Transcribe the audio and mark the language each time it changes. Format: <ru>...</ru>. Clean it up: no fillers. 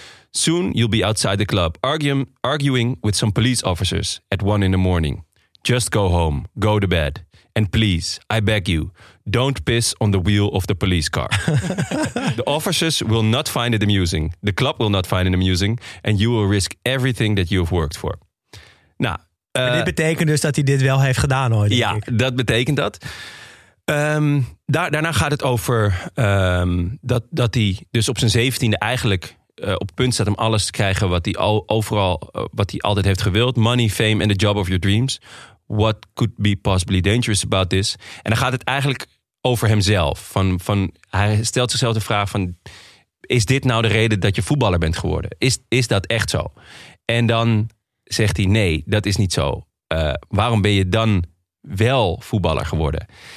<en>Soon you'll be outside the club, arguing with some police officers at 1 a.m. Just go home, go to bed. And please, I beg you, don't piss on the wheel of the police car. The officers will not find it amusing. The club will not find it amusing. And you will risk everything that you have worked for.</en> <nl>Nou, dit betekent dus dat hij dit wel heeft gedaan hoor. Ja, dat betekent dat. Daarna gaat het over dat hij dus op zijn 17e eigenlijk op het punt staat om alles te krijgen wat hij wat hij altijd heeft gewild.</nl> <en>Money, fame and the job of your dreams. What could be possibly dangerous about this?</en> <nl>En dan gaat het eigenlijk over hemzelf. Hij stelt zichzelf de vraag van, is dit nou de reden dat je voetballer bent geworden? Is dat echt zo? En dan zegt hij, nee, dat is niet zo. Waarom ben je dan wel voetballer geworden?</nl>